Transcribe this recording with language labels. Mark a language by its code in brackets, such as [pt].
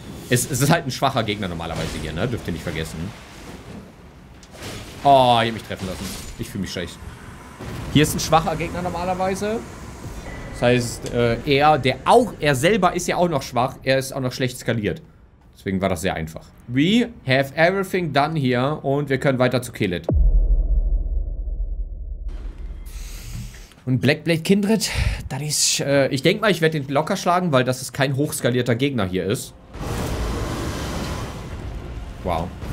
[de] Es ist halt ein schwacher Gegner normalerweise hier, ne? Dürft ihr nicht vergessen. Oh, ihr habt mich treffen lassen. Ich fühle mich schlecht. Hier ist ein schwacher Gegner normalerweise. Das heißt, er selber ist ja auch noch schwach. Er ist auch noch schlecht skaliert. Deswegen war das sehr einfach. [en] We have everything done here. [de] Und wir können weiter zu Kelet. Und Blackblade Kindred, das ist, ich denke mal, ich werde den locker schlagen, weil das ist kein hochskalierter Gegner hier ist. Wow.